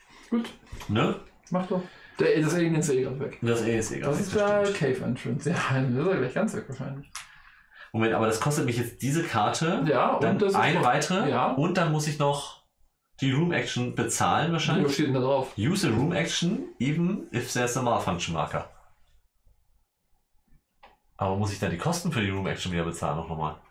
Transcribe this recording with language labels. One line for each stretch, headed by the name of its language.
German: Gut. Ne? Mach doch. Der, das Alien ist eh gerade weg. Das Alien ist eh gerade weg. Das ist ja Cave Entrance. Ja, das ist ja gleich ganz weg wahrscheinlich. Moment, aber das kostet mich jetzt diese Karte, ja, und dann das eine weitere, ja, und dann muss ich noch die Room Action bezahlen wahrscheinlich. Was steht denn da drauf?
English: Use the Room Action, even if there's a malfunction marker.
German: Aber muss ich dann die Kosten für die Room Action wieder bezahlen auch nochmal?